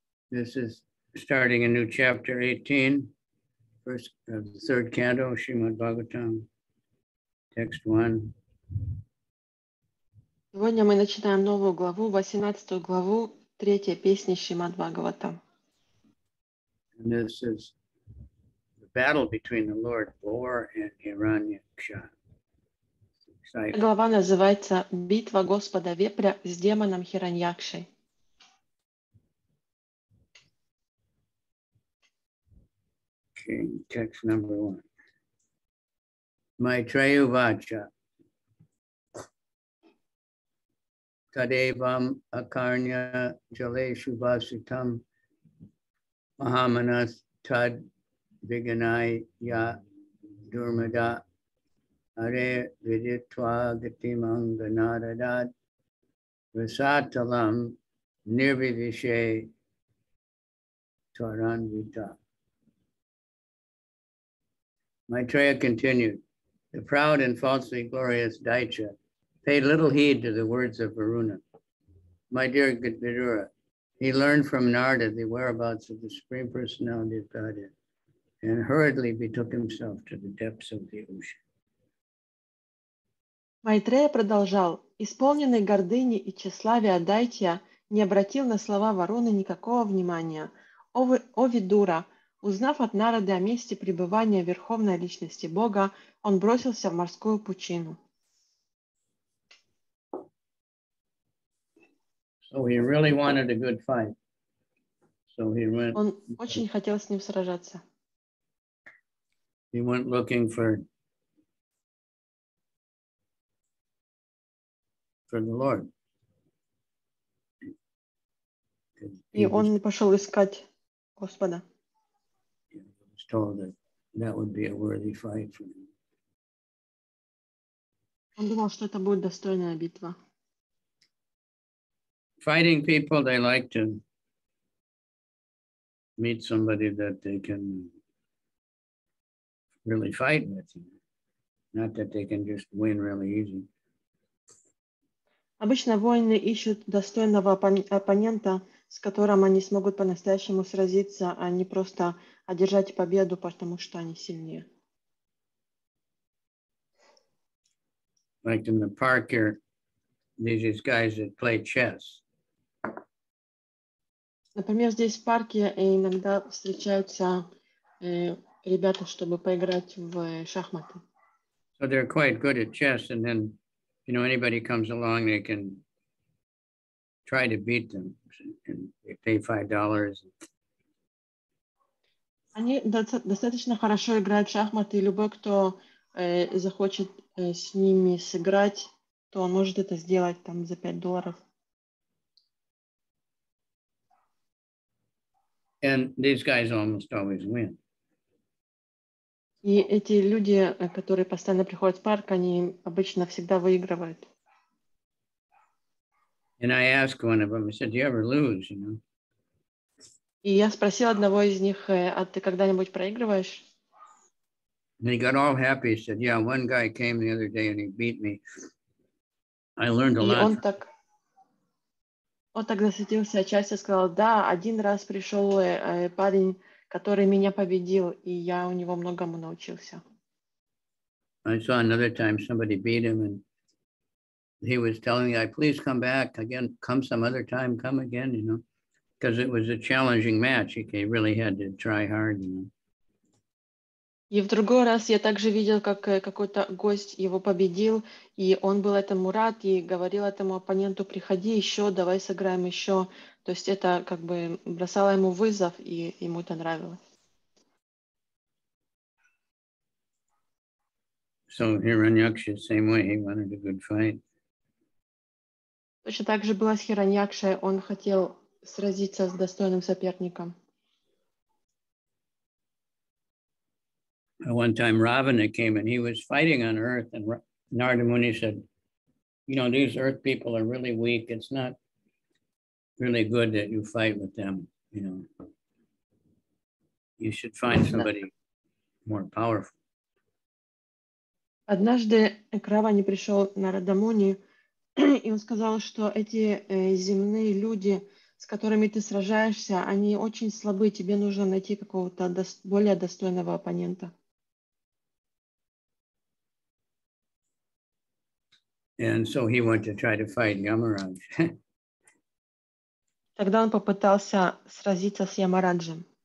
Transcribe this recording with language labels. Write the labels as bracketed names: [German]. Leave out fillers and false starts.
[English] This is starting a new chapter 18, first of the third canto of Srimad Bhagavatam, text 1. [Russian] Сегодня мы начинаем новую главу, 18 главу, третья песня Шримад Бхагаватам. [English] And this is the battle between the Lord Boar and Hiranyaksha. [Russian] Глава называется «Битва Господа Вепря с демоном Хираньякшей». [English] Text number one. Maitreya Vacha. [Sanskrit] Tadevam Akarnya Jaleshu Vasitam Mahamanas Tad Viganai Ya Durmada Are Viditva Gatimanga Naradad Vasatalam Nirvivishe Taranvita. [English] Maitreya continued, the proud and falsely glorious Daitya paid little heed to the words of Varuna. My dear Vidura, he learned from Narada the whereabouts of the Supreme Personality of Godhead and hurriedly betook himself to the depths of the ocean. [Russian] Maitreya продолжал, исполненный гордыни и тщеславия Дайтья не обратил на слова Варуны никакого внимания. О Видура! Узнав от Нарады о месте пребывания Верховной Личности Бога, он бросился в морскую пучину. [English] So he really wanted a good fight. So he went, [Russian] он очень хотел с ним сражаться. [English] He went looking for the Lord. [Russian] И он пошел искать Господа. [English] Told that that would be a worthy fight for him. [Russian] Он думал, что это будет достойная битва. [English] Fighting people, they like to meet somebody that they can really fight with, not that they can just win really easy. [Russian] Обычно воины ищут достойного оппонента, с которым они смогут по-настоящему сразиться, а не просто одержать победу, потому что они сильнее. [English] Like in the park here, these guys that play chess. [Russian] Например, здесь в парке иногда встречаются ребята, чтобы поиграть в шахматы. [English] So they're quite good at chess, and then, you know, anybody comes along, they can try to beat them, and they pay $5. [Russian] Они достаточно хорошо играют в шахматы, и любой, кто захочет с ними сыграть, то он может это сделать там за $5. [English] And these guys almost always win. [Russian] И эти люди, которые постоянно приходят в парк, они обычно всегда выигрывают. [English] And I asked one of them, I said, do you ever lose, you know? [Russian] И я спросил одного из них, а ты когда-нибудь проигрываешь? [English] And he got all happy. He said, yeah, one guy came the other day and he beat me. I learned a [Russian] и [English] lot. [Russian] И он так засветился отчасти, сказал, да, один раз пришел парень, который меня победил, и я у него многому научился. [English] I saw another time somebody beat him, and he was telling me, please come back again, come some other time, come again, you know. Because it was a challenging match, he really had to try hard, you know. [Russian] И в другой раз я также видел, как какой-то гость его победил, и он был этому рад и говорил этому оппоненту: приходи еще, давай сыграем еще. То есть это как бы бросало ему вызов, и ему это нравилось. [English] So Hiranyaksha, same way, he wanted a good fight. [Russian] Точно так же было с Хираньякшей, он хотел сразиться с достойным соперником. [English] One time Ravana came and he was fighting on earth, and Narada Muni said, you know, these earth people are really weak. It's not really good that you fight with them, you know. You should find somebody more powerful. [Russian] Однажды к Раване пришел Нарада Муни, и он сказал, что эти земные люди, с которыми ты сражаешься, они очень слабы, тебе нужно найти какого-то более достойного оппонента. [English] And so he went to try to fight Yamaraj. [Russian] Тогда он попытался сразиться с Ямараджем.